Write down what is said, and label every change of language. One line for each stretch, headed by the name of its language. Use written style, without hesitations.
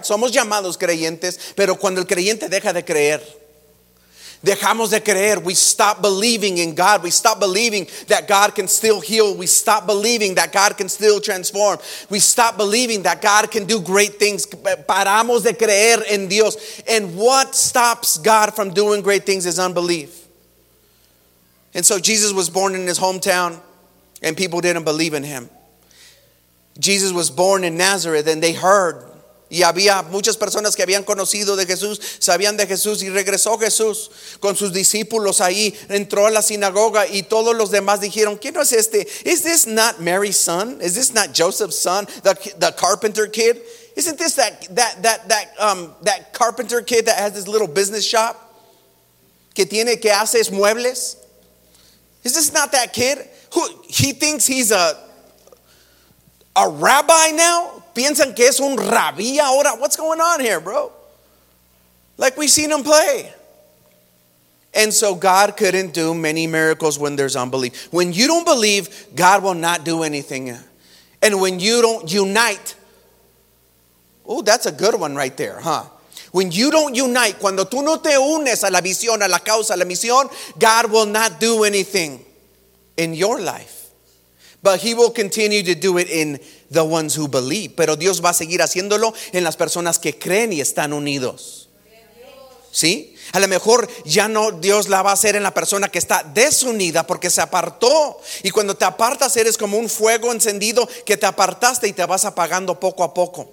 Spanish: Somos llamados creyentes, pero cuando el creyente deja de creer,
English: dejamos de creer, we stop believing in God, we stop believing that God can still heal, we stop believing that God can still transform, we stop believing that God can do great things,
Spanish: paramos de creer en Dios.
English: And what stops God from doing great things is unbelief. And so Jesus was born in his hometown and people didn't believe in him. Jesus was born in Nazareth and they heard.
Spanish: Y había muchas personas que habían conocido de Jesús, sabían de Jesús, y regresó Jesús con sus discípulos ahí, entró a la sinagoga y todos los demás dijeron, ¿quién es este?
English: Is this not Mary's son? Is this not Joseph's son, the carpenter kid? Isn't this that carpenter kid that has this little business shop?
Spanish: Que tiene, que hace muebles?
English: Is this not that kid? He thinks he's a rabbi now?
Spanish: ¿Piensan que es un rabí ahora?
English: What's going on here, bro? Like we've seen him play. And so God couldn't do many miracles when there's unbelief. When you don't believe, God will not do anything. And when you don't unite, oh, that's a good one right there, huh? When you don't unite,
Spanish: cuando tú no te unes a la visión, a la causa, a la misión,
English: God will not do anything in your life. But he will continue to do it in the ones who believe.
Spanish: Pero Dios va a seguir haciéndolo en las personas que creen y están unidos. ¿Sí? A lo mejor ya no Dios la va a hacer en la persona que está desunida porque se apartó. Y cuando te apartas eres como un fuego encendido que te apartaste y te vas apagando poco a poco.